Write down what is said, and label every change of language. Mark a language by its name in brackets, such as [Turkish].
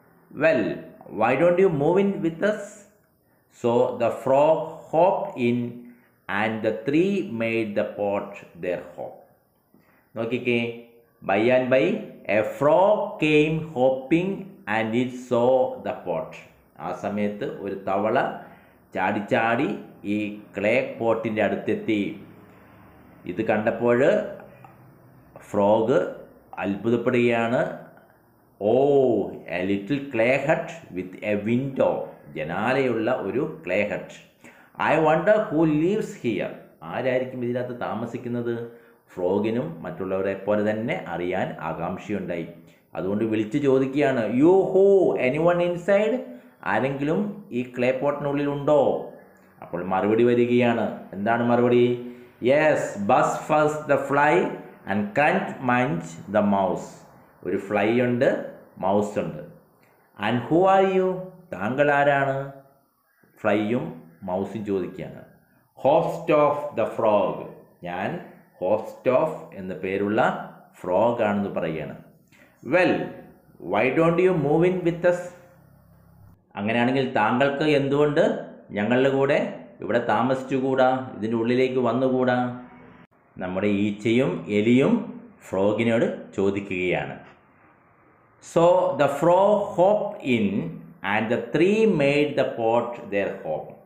[English] Well, why don't you move in with us? So the frog hopped in and the three made the pot their home. Nokike, by and by a frog came hopping and it saw the pot. [Malayalam] ആ സമയത്ത് ഒരു തവള ചാടിച്ചാടി ഈ clay പോട്ടിൻ്റെ അടുത്തെത്തി. ഇത് കണ്ടപ്പോൾ frog അത്ഭുതപ്പെടുകയാണ്. [English] Oh, a little clay hut with a window. [Malayalam] ജനാലയുള്ള ഒരു [English] Clay hut. I wonder who lives here. [Malayalam] ആരായിരിക്കും ഇതിനകത്ത് താമസിക്കുന്നത്? ഫ്രോഗിനും മറ്റുള്ളവരെ പോലെ തന്നെ അറിയാൻ ആകാംക്ഷയുണ്ടായി. അതുകൊണ്ട് വിളിച്ച് ചോദിക്കുകയാണ്. [English] Yoo hoo anyone inside? [Malayalam] ആരെങ്കിലും ഈ ക്ലേ പോട്ടിനുള്ളിലുണ്ടോ? അപ്പോൾ മറുപടി വരികയാണ്. എന്താണ് മറുപടി? [English] Yes buzz fuzz the fly and crunch munch the mouse. [Malayalam] ഒരു ഫ്ലൈ ഉണ്ട്, മൗസ് ഉണ്ട്. [English] And who are you? [Malayalam] താങ്കൾ ആരാണ്? ഫ്ലൈയും മൗസും ചോദിക്കുകയാണ്. [English] Host of the frog. [Malayalam] ഞാൻ ഹോസ്റ്റ് ഓഫ് എന്ന പേരുള്ള ഫ്രോഗ് ആണെന്ന് പറയുകയാണ്. [English] Well, why don't you move in with us? [Malayalam] അങ്ങനെയാണെങ്കിൽ താങ്കൾക്ക് എന്തുകൊണ്ട് ഞങ്ങളുടെ കൂടെ ഇവിടെ താമസിച്ചുകൂടാ? ഇതിൻ്റെ ഉള്ളിലേക്ക് വന്നുകൂടാ? നമ്മുടെ ഈച്ചയും എലിയും ഫ്രോഗിനോട് ചോദിക്കുകയാണ്. [English] So the frog hop in and the three made the pot their home.